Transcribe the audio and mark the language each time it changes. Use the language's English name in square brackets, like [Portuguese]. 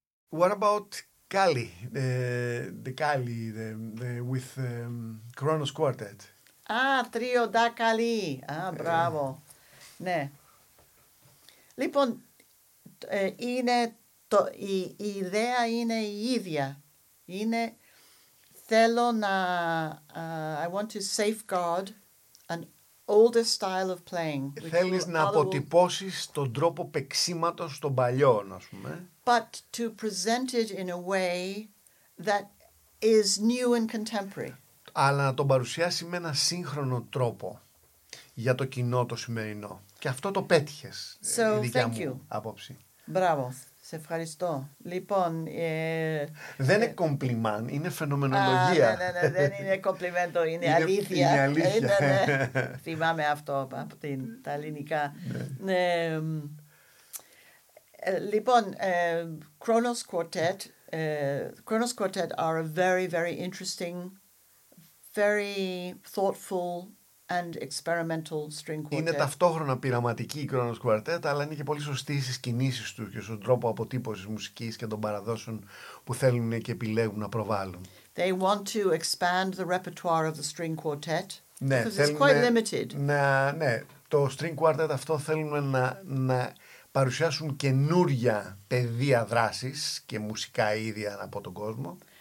[English] What about Kali, the Kali, the with Kronos Quartet? Ah, Trio da Kali. Ah, bravo. [Greek] Ναι. Λοιπόν, είναι το, η ιδέα είναι η ίδια. Είναι, θέλω να, [English] I want to safeguard an older style of playing. [Greek] Θέλεις να αποτυπώσεις τον τρόπο παίξηματος των παλιών, ας πούμε. [English] But to present it in a way that is new and contemporary. [Greek] Αλλά να τον παρουσιάσει με ένα σύγχρονο τρόπο για το κοινό το σημερινό. Και αυτό το πέτυχες, [English] so, [Greek] η δικιά μου άποψη. Μπράβο, σε ευχαριστώ. Λοιπόν, δεν είναι κομπλιμάν, είναι φαινομενολογία. Ναι, δεν είναι κομπλιμέντο, είναι αλήθεια. Είναι αλήθεια. Είναι, ναι. Θυμάμαι αυτό από την, τα ελληνικά. Ναι. Λοιπόν, [English] Kronos Quartet, Kronos Quartet are a very, very interesting, very thoughtful and experimental string quartet. [Greek] Είναι ταυτόχρονα πειραματική η Kronos Quartet, αλλά είναι και πολύ σωστή στις κινήσεις τους και στον τρόπο αποτύπωσης μουσικής και των παραδόσεων που θέλουν και επιλέγουν να προβάλλουν. [English] They want to expand the repertoire of the string quartet. [Greek] Ναι, [English] because it's quite limited. [Greek] Ναι, το string quartet αυτό θέλουμε να παρουσιάσουν καινούρια πεδία δράσης και μουσικά είδη από τον κόσμο.